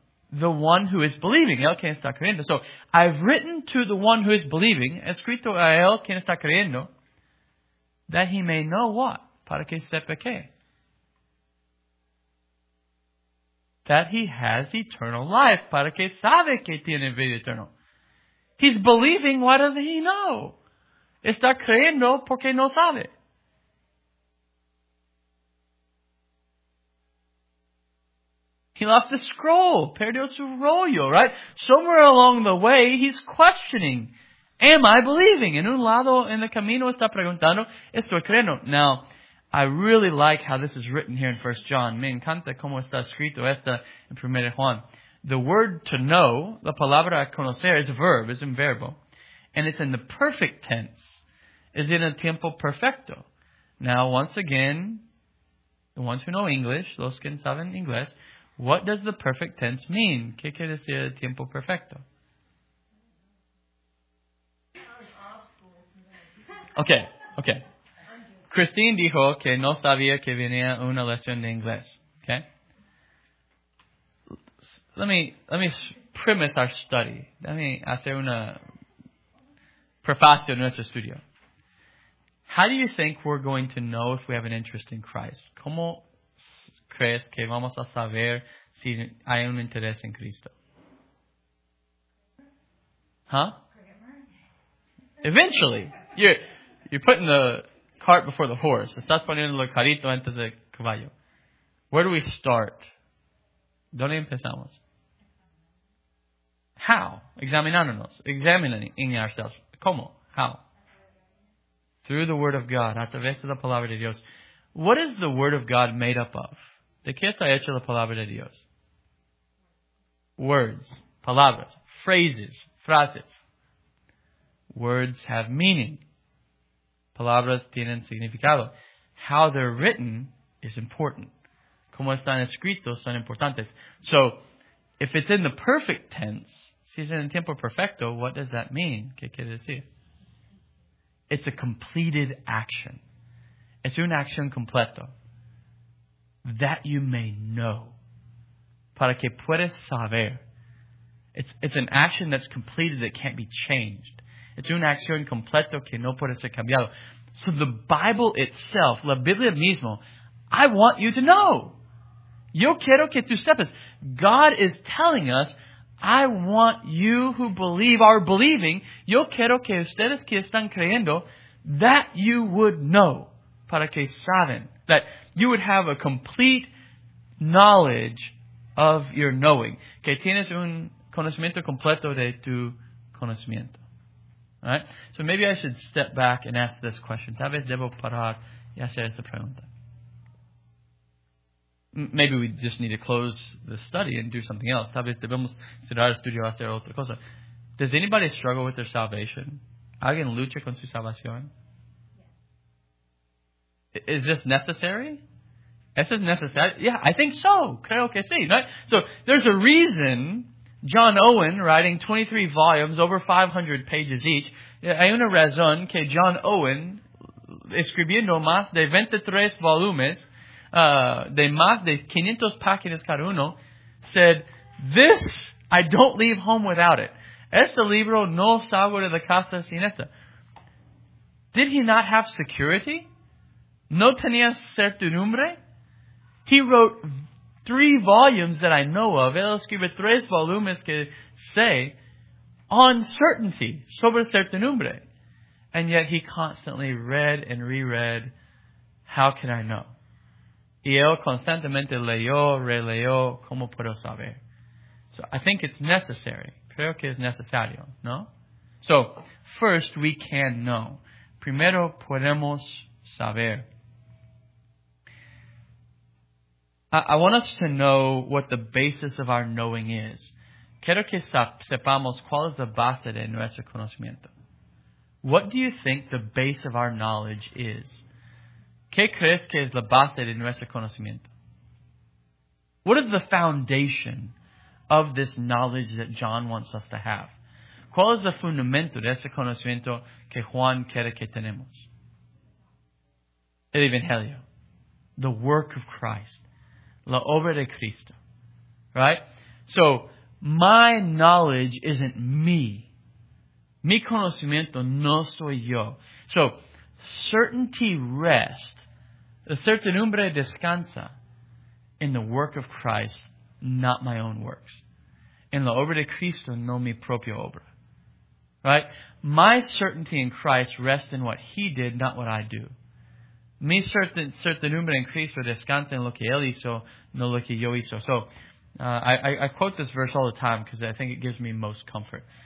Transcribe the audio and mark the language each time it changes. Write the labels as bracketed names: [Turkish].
[English] The one who is believing. [Spanish] El quien está creyendo. [English] So, I've written to the one who is believing. [Spanish] Escrito a él quien está creyendo. [English] That he may know what? [Spanish] Para que sepa que. [English] That he has eternal life. [Spanish] Para que sabe que tiene vida eterna. [English] He's believing. Why doesn't he know? [Spanish] Está creyendo porque no sabe. [English] He lost a scroll. [Spanish] Perdió su rollo, [English] right? Somewhere along the way, he's questioning. Am I believing? [Spanish] En un lado en el camino está preguntando, estoy creyendo. [English] Now, I really like how this is written here in 1 John. [Spanish] Me encanta cómo está escrito esta en 1 Juan. [English] The word to know, [Spanish] la palabra conocer, [English] is a verb, is [Spanish] un verbo. [English] And it's in the perfect tense. [Spanish] Is in a tiempo perfecto. [English] Now, once again, the ones who know English, [Spanish] los que saben inglés, [English] what does the perfect tense mean? [Spanish] ¿Qué quiere decir el tiempo perfecto? [English] Okay. [Spanish] Christine dijo que no sabía que venía una lección de inglés. [English] Okay? Let me premise our study. Let me [Spanish] hacer una prefacio en nuestro estudio. [English] How do you think we're going to know if we have an interest in Christ? [Spanish] ¿Cómo crees que vamos a saber si hay un interés en Cristo? [English] Huh? Eventually. You're putting the cart before the horse. [Spanish] Estás poniendo el carrito antes del caballo. [English] Where do we start? [Spanish] ¿Dónde empezamos? [English] How? [Spanish] Examinándonos. [English] Examining ourselves. [Spanish] ¿Cómo? [English] How? Through the Word of God. [Spanish] A través de la Palabra de Dios. [English] What is the Word of God made up of? [Spanish] ¿De qué está hecha la palabra de Dios? [English] Words. [Spanish] Palabras. [English] Phrases. [Spanish] Frases. [English] Words have meaning. [Spanish] Palabras tienen significado. [English] How they're written is important. [Spanish] ¿Cómo están escritos son importantes? [English] So, if it's in the perfect tense, [Spanish] si es en el tiempo perfecto, [English] what does that mean? [Spanish] ¿Qué quiere decir? [English] It's a completed action. [Spanish] Es una acción completa. [English] That you may know. [Spanish] Para que puedas saber. [English] It's an action that's completed that can't be changed. It's [Spanish] una acción completo que no puede ser cambiado. [English] So the Bible itself, [Spanish] la Biblia mismo, [English] I want you to know. [Spanish] Yo quiero que tú sepas. [English] God is telling us, I want you who believe are believing, [Spanish] yo quiero que ustedes que están creyendo, [English] that you would know. [Spanish] Para que saben. [English] That you would have a complete knowledge of your knowing. [Spanish] Que tienes un conocimiento completo de tu conocimiento. [English] Alright? So maybe I should step back and ask this question. [Spanish] Tal vez debo parar y hacer esta pregunta. [English] Maybe we just need to close the study and do something else. [Spanish] Tal vez debemos cerrar el estudio y hacer otra cosa. [English] Does anybody struggle with their salvation? [Spanish] ¿Alguien lucha con su salvación? [English] Is this necessary? [Spanish] ¿Es necesario? [English] Yeah, I think so. [Spanish] Creo que sí. [English] Right? So there's a reason John Owen, writing 23 volumes, over 500 pages each, [Spanish] hay una razón que John Owen, escribiendo más de 23 volumes, de más de 500 páginas cada uno, [English] said, this, I don't leave home without it. [Spanish] Este libro no salgo de la casa sin esta. [English] Did he not have security? [Spanish] ¿No tenía certidumbre? [English] He wrote three volumes that I know of. [Spanish] Él escribe tres volumes que sé [English] on certainty, [Spanish] sobre certidumbre. [English] And yet he constantly read and reread, how can I know? [Spanish] Y él constantemente leyó, releyó, ¿cómo puedo saber? [English] So I think it's necessary. [Spanish] Creo que es necesario, ¿no? [English] So, first, we can know. [Spanish] Primero, podemos saber. [English] I want us to know what the basis of our knowing is. [Spanish] Quiero que sepamos cuál es la base de nuestro conocimiento. [English] What do you think the base of our knowledge is? [Spanish] ¿Qué crees que es la base de nuestro conocimiento? [English] What is the foundation of this knowledge that John wants us to have? [Spanish] ¿Cuál es el fundamento de ese conocimiento que Juan quiere que tenemos? El Evangelio. [English] The work of Christ. [Spanish] La obra de Cristo. [English] Right? So, my knowledge isn't me. [Spanish] Mi conocimiento no soy yo. [English] So, certainty rests. [Spanish] La certidumbre descansa [English] in the work of Christ, [Spanish] not my own works. En la obra de Cristo, no mi propia obra. [English] Right? My certainty in Christ rests in what He did, not what I do. [Spanish] Mi certidumbre en Cristo descansa en lo que Él hizo, no lo que yo hizo. [English] So, I quote this verse all the time because I think it gives me most comfort.